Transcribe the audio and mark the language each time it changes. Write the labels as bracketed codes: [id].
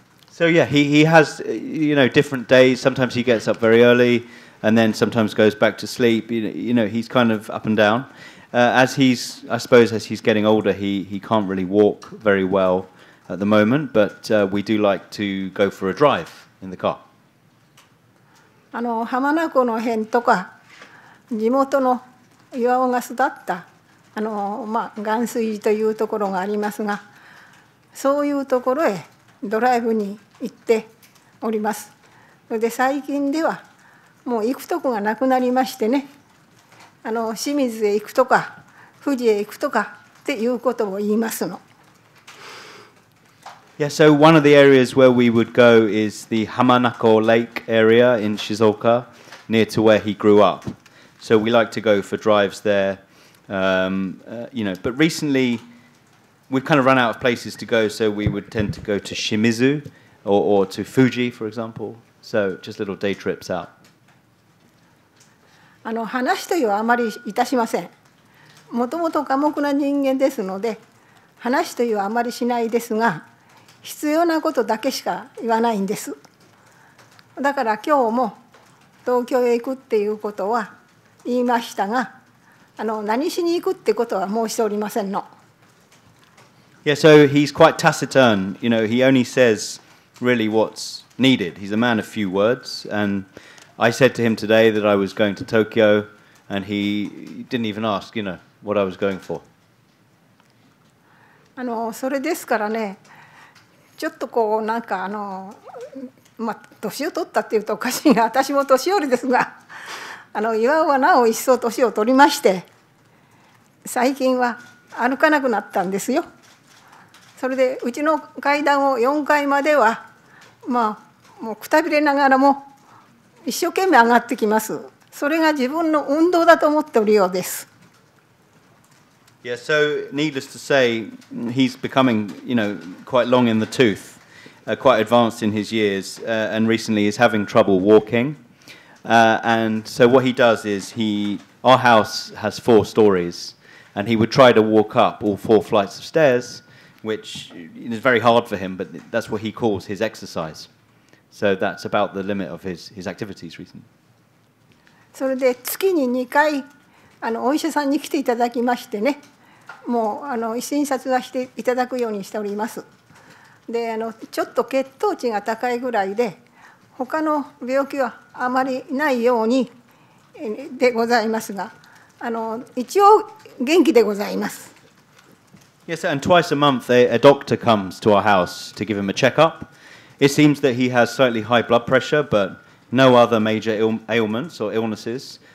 [en] So, yeah, he has, you know, different days. Sometimes he gets up very early and then sometimes goes back to sleep. You know, he's kind of up and down. As he's getting older, he can't really walk very well. At the moment, but we do like to go for a drive in the car. [ja] 浜名湖の辺とか地元の岩尾が育った岩水寺というところがありますが、そういうところへドライブに行っております。で最近ではもう行くとこがなくなりましてね、清水へ行くとか富士へ行くとかっていうことを言いますの。 [en] Yeah, so one of the areas where we would go is the Hamanako Lake area in Shizuoka, near to where he grew up. So we like to go for drives there, you know. But recently, we've kind of run out of places to go, so we would tend to go to Shimizu or to Fuji, for example. So just little day trips out. [ja] あの話というはあまりいたしません。もともと寡黙な人間ですので、話というはあまりしないですが、必要なことだけしか言わないんです。だから今日も東京へ行くっていうことは言いましたが、あの何しに行くってことは申しておりませんの。 [en] Yeah, so he's quite taciturn. You know, he only says really what's needed. He's a man of few words, and I said to him today that I was going to Tokyo, and he didn't even ask, you know, what I was going for. [ja] あのそれですからね、ちょっとこうなんかあのまあ年を取ったっていうとおかしいが、私も年寄りですが、あの岩尾はなお一層年を取りまして、最近は歩かなくなったんですよ。それでうちの階段を4階まではまあもうくたびれながらも一生懸命上がってきます。それが自分の運動だと思っておるようです。 [en] Yeah, so needless to say, he's becoming, you know, quite long in the tooth, quite advanced in his years, and recently is having trouble walking. And so what he does is he, our house has four stories, and he would try to walk up all four flights of stairs, which is very hard for him, but that's what he calls his exercise. So that's about the limit of his activities recently. [ja] あのお医者さんに来ていただきましてね、もうあの診察はしていただくようにしております。で、あのちょっと血糖値が高いぐらいで、他の病気はあまりないようにでございますが、あの一応元気でございます。 [en] Yes, and twice a month a doctor comes to our house to give him a checkup. It seems that he has slightly high blood pressure, but no other major ailments or illnesses.